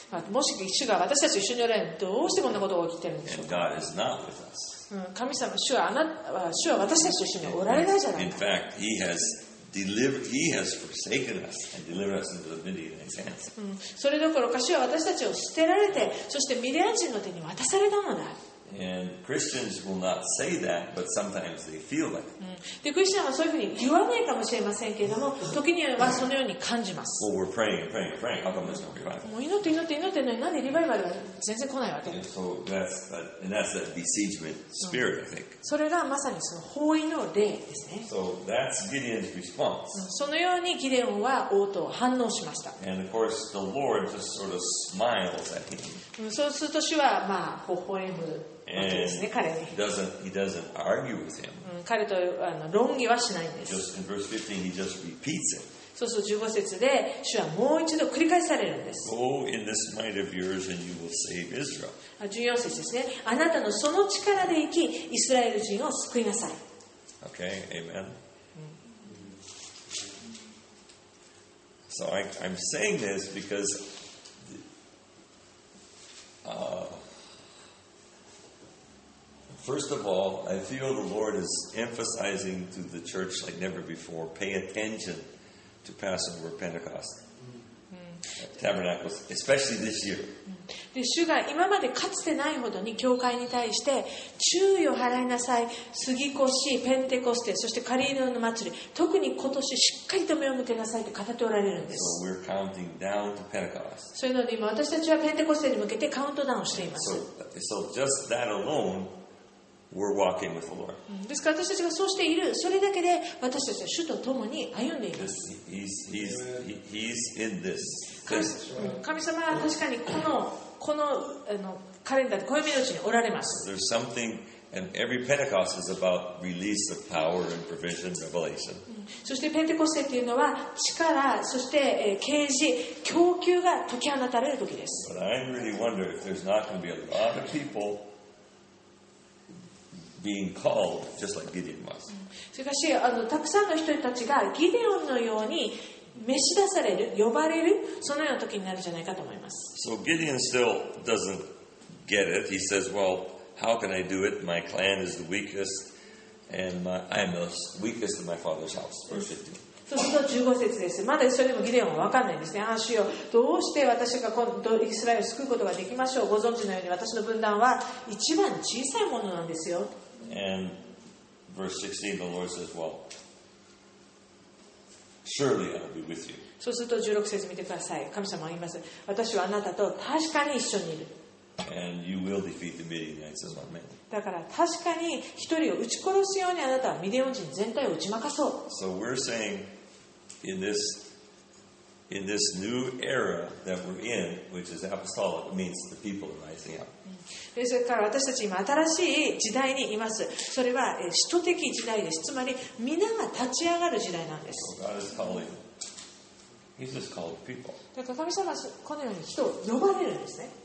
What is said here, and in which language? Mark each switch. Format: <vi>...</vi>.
<ja>もし主が私たち一緒におられるどうしてこんなことが起きているんでしょうか、</ja> <en>God is not with us.</en> <ja>神様主はあなた、主は私たち一緒におられないじゃないか。</ja> <en>In fact, he has delivered, he has forsaken us and delivered us into the Midianite's hands.</en> <ja>それどころか主は私たちを捨てられてそしてミディアン人の手に渡されたのだ。</ja> <en>And Christians will not say that, but sometimes they feel like it.</en> <ja>で、クリスチャンはそういうふうに言わないかもしれませんけれども、時にはそのように感じます。</ja> <en>Well, we're praying, praying, praying. How come there's no revival?</en> <ja>もう祈って祈って祈ってのに、なんでリバイバルが全然来ないわけ。</ja> <en>And that's that besiegement spirit, I think.</en> <ja>それがまさにその包囲の霊ですね。</ja> <en>So that's Gideon's response.</en> <ja>そのようにギデオンは応答、反応しました。</ja> <en>And of course, the Lord just sort of smiles at him.</en> <ja>そうすると主は、まあ、微笑む。</ja> <en>He doesn't argue with him.</en> <ja>彼とあの論議はしないんです。</ja> <en>Just in verse 15, he just repeats it.</en> <ja>そうそう、十五節で主はもう一度繰り返されるんです。</ja> <en>Go in this might of yours and you will save Israel.</en> <ja>十四節ですね。あなたのその力で生き、イスラエル人を救いなさい。</ja> <en>Okay, amen. So I'm saying this because First of all, I feel the Lord is emphasizing to the church like never before, pay attention to Passover, Pentecost, Tabernacles, especially this year.</en> <ja>で、主が今までかつてないほどに教会に対して注意を払いなさい、過ぎ越し、ペンテコステ、そしてカリーノの祭り、特に今年しっかりと目を向けなさいと語っておられるんです。</ja> <en>So we're counting down to Pentecost.</en> <ja>そういうので今私たちはペンテコステに向けてカウントダウンしています。</ja> <en>So just that alone,We're walking with the Lord.</en> <ja>ですから私たちがそうしている、それだけで私たちは主と共に歩んでいます。</ja> <en>He's in this.</en> <ja>神様は確かにこのカレンダーで暦のうちにおられます。</ja> <en>There's something, and every Pentecost is about release of power and provision, revelation.</en> <ja>そしてペンテコステというのは力、そして啓示、供給が解き放たれる時です。</ja> <en>But I really wonder if there's not going to be a lot of people. Being called just like Gideon was.</en> <ja>しかし、あのたくさんの人たちがギデオンのように召し出される、呼ばれる、そのような時になるじゃないかと思います。</ja> <en>So Gideon still doesn't get it. He says, "Well, how can I do it? My clan is the weakest, and I am the weakest in my father's house." Verse 15.</en> <ja>そうすると15節です。まだそれでもギデオンは分かんないんですね。ああ、主よ、どうして私がイスラエルを救うことができましょう。ご存知のように私の分断は一番小さいものなんですよ。</ja> <en>And verse 16, the Lord says, Well, surely I'll be with you.</en> <ja>そうすると16節見てください。神様は言います。私はあなたと確かに一緒にいる。</ja> <en>And you will defeat the Midianites as one man.</en> <ja>だから確かに一人を撃ち殺すようにあなたはミディオン人全体を打ち負かそう。</ja> <en>So we're saying in this new era that we're in, which is apostolic, means the people are rising up.</en> <ja>ですから私たち今新しい時代にいます。それは使徒的時代です。つまり皆が立ち上がる時代なんです。</ja> <en>So God is calling. He's just called people.</en> <ja>だから神様はこのように人を呼ばれるんですね。</ja>